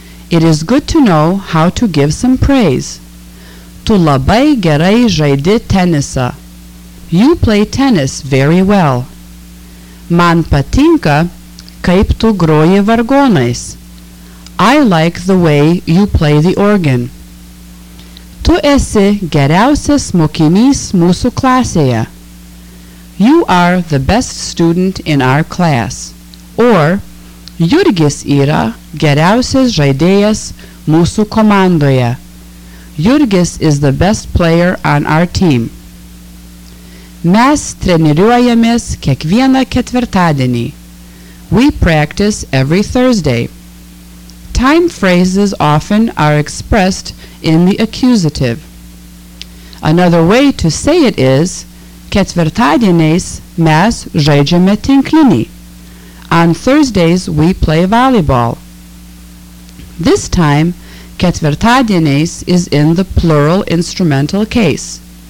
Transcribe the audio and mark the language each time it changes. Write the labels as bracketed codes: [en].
[en] It is good to know how to give some praise. [lt] Tu labai gerai žaidi tenisą. [en] You play tennis very well. [lt] Man patinka, kaip tu groji vargonais. [en] I like the way you play the organ. [lt] Tu esi geriausias mokinys mūsų klasėje. [en] You are the best student in our class. [lt] Or, Jurgis yra geriausias žaidėjas mūsų komandoje. [en] Jurgis is the best player on our team. [lt] Mes treniruojamės kiekvieną ketvirtadienį. [en] We practice every Thursday. Time phrases often are expressed in the accusative. Another way to say it is, [lt] ketvirtadieniais mes žaidžiame tinklinį. [en] On Thursdays we play volleyball. This time, ketvirtadieniais is in the plural instrumental case.